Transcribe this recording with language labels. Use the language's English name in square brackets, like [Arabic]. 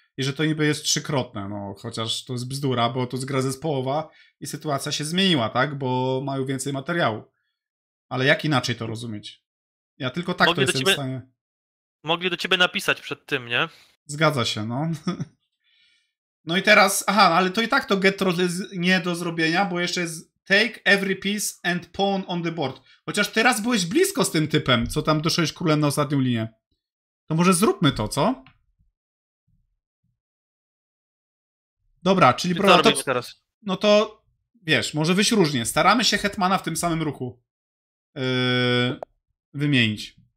[Polish] I że to niby jest trzykrotne, no, chociaż to jest bzdura, bo to jest gra zespołowa i sytuacja się zmieniła, tak? Bo mają więcej materiału. Ale jak inaczej to rozumieć? Ja tylko tak to jestem w stanie... Mogli do ciebie napisać przed tym, nie? Zgadza się, no. No i teraz, aha, ale to i tak to get troll jest nie do zrobienia, bo jeszcze jest [English] Take every piece and pawn on the board. [Polish] Chociaż teraz byłeś blisko z tym typem, co tam doszedłeś królem na ostatnią linię. To może zróbmy to, co? Dobra, czyli... Bro, co robimy teraz? No to, wiesz, może wyjść różnie. Staramy się hetmana w tym samym ruchu wymienić.